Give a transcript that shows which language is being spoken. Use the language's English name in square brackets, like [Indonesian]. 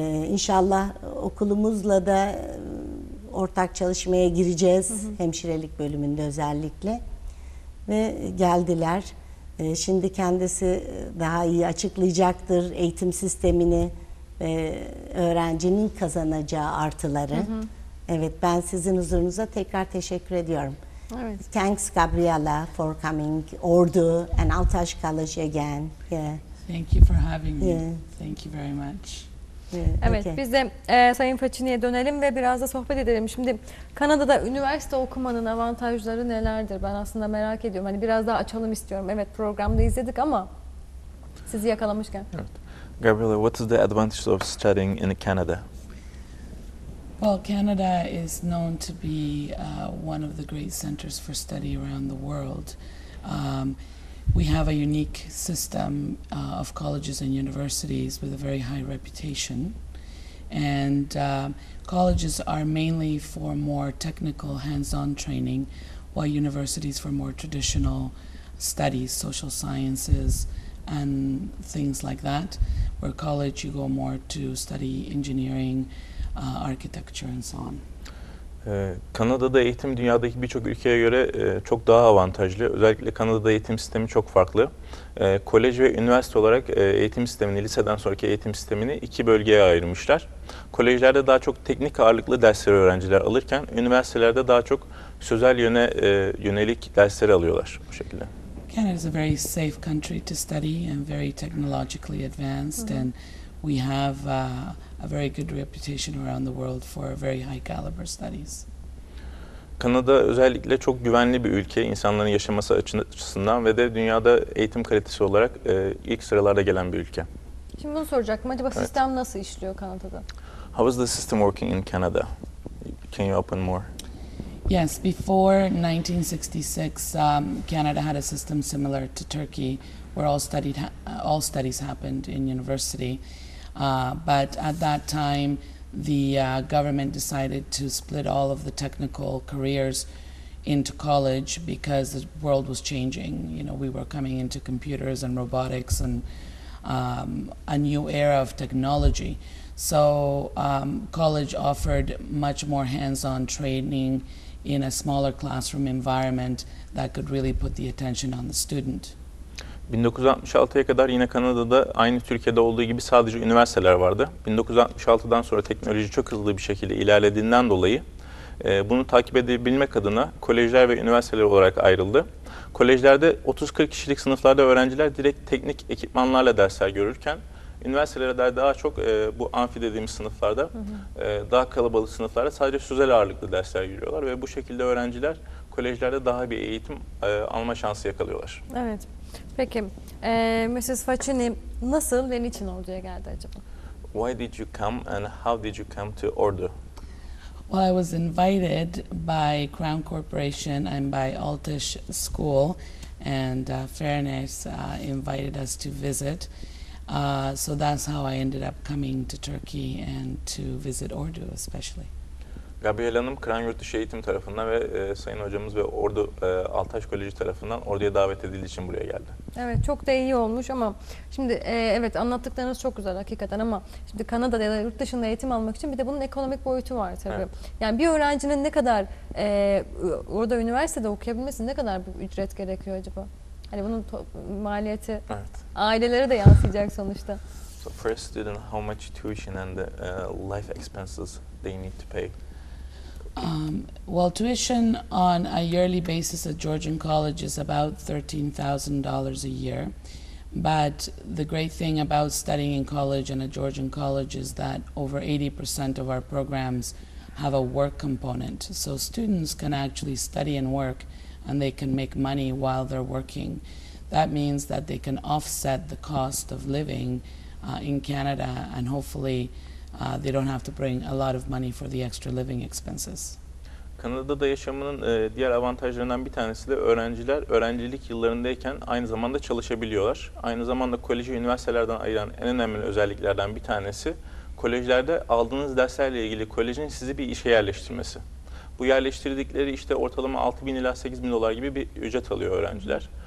[Turkish] İnşallah okulumuzla da ortak çalışmaya gireceğiz, hemşirelik bölümünde özellikle. Ve geldiler. Şimdi kendisi daha iyi açıklayacaktır eğitim sistemini ve öğrencinin kazanacağı artıları. Evet, ben sizin huzurunuza tekrar teşekkür ediyorum. Evet. [English] Thanks Gabriella for coming, Ordu and Altaş College again. Thank you for having me. Yeah. Thank you very much. [Turkish] Evet, biz de Sayın Façini'ye dönelim ve biraz da sohbet edelim. Şimdi Kanada'da üniversite okumanın avantajları nelerdir? Ben aslında merak ediyorum. Hani biraz daha açalım istiyorum. Evet, programda izledik ama sizi yakalamışken. Evet. [English] Gabriela, what is the advantage of studying in Canada? Well, Canada is known to be one of the great centers for study around the world. We have a unique system of colleges and universities with a very high reputation. And colleges are mainly for more technical hands-on training, while universities for more traditional studies, social sciences, and things like that, where college you go more to study engineering, architecture, and so on. [Turkish] Kanada'da eğitim dünyadaki birçok ülkeye göre çok daha avantajlı. Özellikle Kanada'da eğitim sistemi çok farklı. Kolej ve üniversite olarak eğitim sistemini, liseden sonraki eğitim sistemini iki bölgeye ayırmışlar. Kolejlerde daha çok teknik ağırlıklı dersleri öğrenciler alırken, üniversitelerde daha çok sözel yönelik dersleri alıyorlar bu şekilde. [English] Canada is a very safe country to study and very technologically advanced, and we have a very good reputation around the world for very high caliber studies. [Turkish] Kanada özellikle çok güvenli bir ülke insanların yaşaması açısından ve de dünyada eğitim kalitesi olarak ilk sıralarda gelen bir ülke. Şimdi bunu soracaktım. Acaba Evet. sistem nasıl işliyor Kanada'da? [English] How is the system working in Canada? can you open more? Yes, before 1966, Canada had a system similar to Turkey, where all studies happened in university. But at that time, the government decided to split all of the technical careers into college because the world was changing. You know, we were coming into computers and robotics and a new era of technology. So college offered much more hands-on training in a smaller classroom environment that could really put the attention on the student. [Turkish] 1966'ya kadar yine Kanada'da aynı Türkiye'de olduğu gibi sadece üniversiteler vardı. 1966'dan sonra teknoloji çok hızlı bir şekilde ilerlediğinden dolayı bunu takip edebilmek adına kolejler ve üniversiteler olarak ayrıldı. Kolejlerde 30-40 kişilik sınıflarda öğrenciler direkt teknik ekipmanlarla dersler görürken, üniversitelerde daha çok bu amfi dediğimiz sınıflarda, daha kalabalık sınıflarda sadece süzel ağırlıklı dersler görüyorlar ve bu şekilde öğrenciler kolejlerde daha bir eğitim alma şansı yakalıyorlar. Evet. Peki, Mrs. Facini nasıl ve niçin orduya geldi acaba? [English] Why did you come and how did you come to Ordu? Well, I was invited by Crown Corporation and by Altish School, and Fairness invited us to visit. So that's how I ended up coming to Turkey and to visit Ordu especially. [Turkish] Gabriel Hanım, Kran Yurtdışı Eğitim tarafından ve Sayın Hocamız ve Ordu Altaş Koleji tarafından Ordu'ya davet edildiği için buraya geldi. Evet, çok da iyi olmuş ama şimdi evet anlattıklarınız çok güzel hakikaten ama şimdi Kanada'da ya da yurt dışında eğitim almak için bir de bunun ekonomik boyutu var tabii. Evet. Yani bir öğrencinin ne kadar orada üniversitede okuyabilmesi ne kadar bir ücret gerekiyor acaba? Hani bunun maliyeti evet. Ailelere de yansıyacak sonuçta. [English] So for a student, how much tuition and the life expenses they need to pay? Well, tuition on a yearly basis at Georgian College is about $13,000 a year. But the great thing about studying in college and at Georgian College is that over 80% of our programs have a work component. So students can actually study and work and they can make money while they're working. That means that they can offset the cost of living in Canada and hopefully they don't have to bring a lot of money for the extra living expenses. [Turkish] Kanada'da yaşamının diğer avantajlarından bir tanesi de öğrenciler öğrencilik yıllarındayken aynı zamanda çalışabiliyorlar. Aynı zamanda koleji üniversitelerden ayıran en önemli özelliklerden bir tanesi kolejlerde aldığınız derslerle ilgili kolejin sizi bir işe yerleştirmesi. Bu yerleştirdikleri işte ortalama 6.000 ila 8.000 dolar gibi bir ücret alıyor öğrenciler.